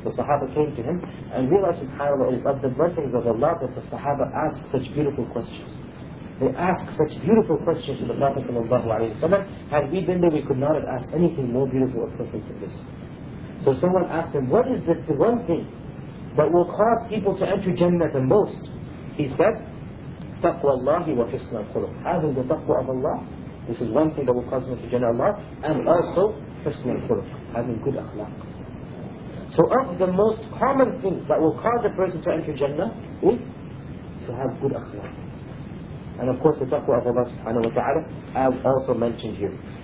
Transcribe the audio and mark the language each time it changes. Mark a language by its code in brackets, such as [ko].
[en] The Sahaba came to him and realized, subhanAllah, it is of the blessings of Allah that the Sahaba asked such beautiful questions. They ask such beautiful questions to the Prophet sallallahu alayhi wa sallam. Had we been there, we could not have asked anything more beautiful or perfect than this. So someone asked him, what is the one thing that will cause people to enter Jannah the most? [ar] He said, تَقْوَى اللَّهِ وَحِسْنَ الْخُلُقِ. [en] Having the taqwa of Allah, this is one thing that will cause them to enter Jannah Allah, and also [ar] حِسْنَ الْخُلُقِ, [en] having good akhlaq. So of the most common things that will cause a person to enter Jannah is to have good akhlaq. And of course the taqwa of Allah subhanahu wa ta'ala, as also mentioned here.